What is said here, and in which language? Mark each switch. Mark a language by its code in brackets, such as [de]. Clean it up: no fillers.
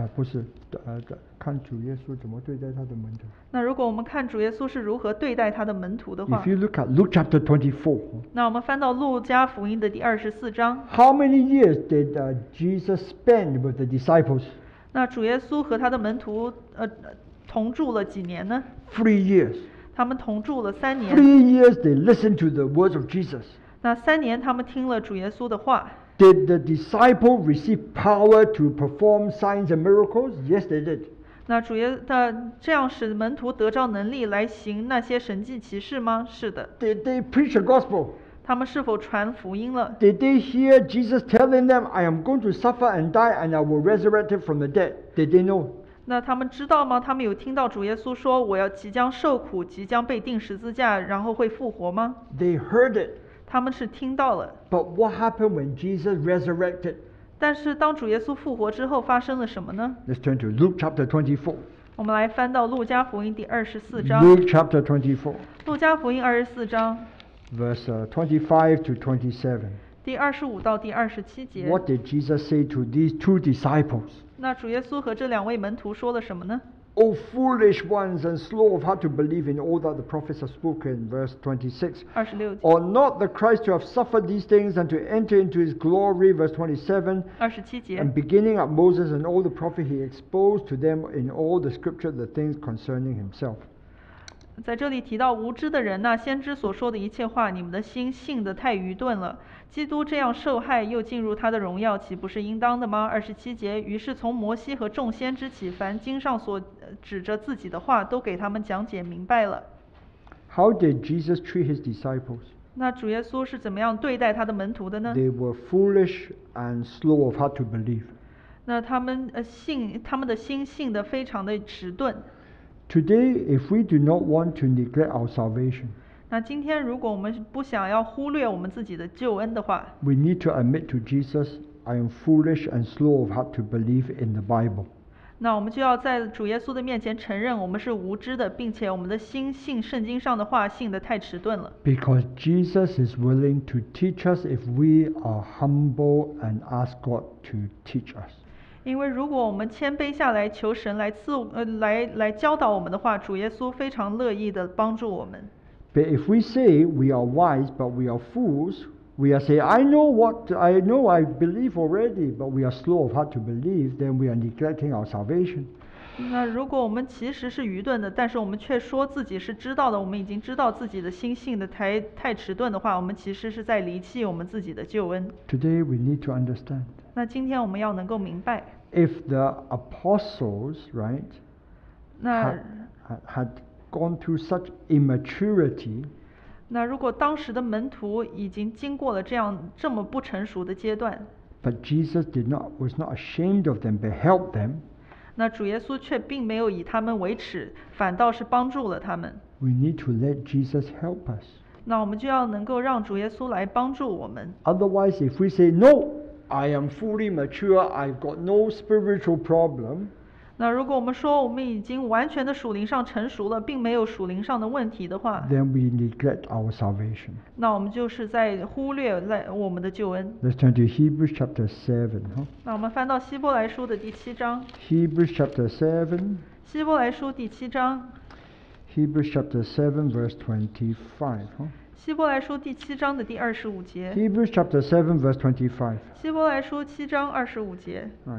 [zh] 不是，看主耶稣怎么对待他的门徒。那如果我们看主耶稣是如何对待他的门徒的话。 [en] If you look at Luke chapter 24. [zh] 那我们翻到路加福音的第二十四章。 [en] How many years did Jesus spend with the disciples? [zh] 那主耶稣和他的门徒同住了几年呢？ [en] 3 years. [zh] 他们同住了三年。 [en] 3 years they listened to the words of Jesus. [zh] 那三年他们听了主耶稣的话。 [en] Did the disciple receive power to perform signs and miracles? Yes, they did. [zh] 那主耶稣这样使门徒得着能力来行那些神迹奇事吗？是的。 [en] Did they preach the gospel? [zh] 他们是否传福音了？ [en] Did they hear Jesus telling them, I am going to suffer and die and I will resurrect from the dead? Did they know? [zh] 那他们知道吗？他们有听到主耶稣说我要即将受苦，即将被钉十字架，然后会复活吗？ [en] They heard it. [zh] 他们是听到了。 [en] But what happened when Jesus resurrected? [zh] 但是当主耶稣复活之后发生了什么呢？ [en] Let's turn to Luke chapter 24. [zh] 我们来翻到路加福音第二十四章。 [en] Luke chapter 24. [zh] 路加福音二十四章。 [en] Verse 25 to 27. [zh] 第二十五到第二十七节。 [en] What did Jesus say to these two disciples? [zh] 那主耶稣和这两位门徒说了什么呢？ [en] O foolish ones and slow of heart to believe in all that the prophets have spoken. Verse 26. 26. Or not the Christ to have suffered these things and to enter into his glory. Verse 27. [zh] 27节。 [en] And beginning at Moses and all the prophets, he exposed to them in all the scripture the things concerning himself. [zh] 在这里提到无知的人呐，先知所说的一切话，你们的心信得太愚钝了。基督这样受害又进入他的荣耀，岂不是应当的吗？二十七节，于是从摩西和众先知起，凡经上所指着自己的话，都给他们讲解明白了。 [en] How did Jesus treat his disciples? [zh] 那主耶稣是怎么样对待他的门徒的呢？ [en] They were foolish and slow of heart to believe. [zh] 那他们的心信得非常的迟钝。 [en] Today, if we do not want to neglect our salvation, [zh] 那今天如果我们不想要忽略我们自己的救恩的话， [en] we need to admit to Jesus, I am foolish and slow of heart to believe in the Bible. [zh] 那我们就要在主耶稣的面前承认我们是无知的，并且我们的心信圣经上的话信得太迟钝了。 [en] Because Jesus is willing to teach us if we are humble and ask God to teach us. [zh] 因为如果我们谦卑下来求神来教导我们的话，主耶稣非常乐意地帮助我们。 [en] But if we say we are wise but we are fools, we are saying I believe already, but we are slow of heart to believe, then we are neglecting our salvation. [zh] 那如果我们其实是愚钝的，但是我们却说自己是知道的，我们已经知道自己的心性的太迟钝的话，我们其实是在离弃我们自己的救恩。 [en] Today we need to understand. [zh] 那今天我们要能够明白。 [en] If the apostles, right, had gone through such immaturity, [zh] 那如果当时的门徒已经经过了这么不成熟的阶段， [en] but Jesus was not ashamed of them, but helped them. [zh] 那主耶稣却并没有以他们为耻，反倒是帮助了他们。 [en] We need to let Jesus help us. [zh] 那我们就要能够让主耶稣来帮助我们。 [en] Otherwise, if we say, No, I am fully mature, I've got no spiritual problem. [zh] 那如果我们说我们已经完全的属灵上成熟了，并没有属灵上的问题的话， [en] Then we neglect our salvation. [zh] 那我们就是在忽略我们的救恩。 [en] Let's turn to Hebrews chapter 7, huh? [zh] 那我们翻到希伯来书的第七章。 [en] Hebrews chapter 7, [zh] 希伯来书第七章。 [en] Hebrews chapter 7 verse 25, huh? [zh] 希伯来书第七章的第二十五节。 [en] Hebrews chapter 7 verse 25. [zh] 希伯来书七章二十五节。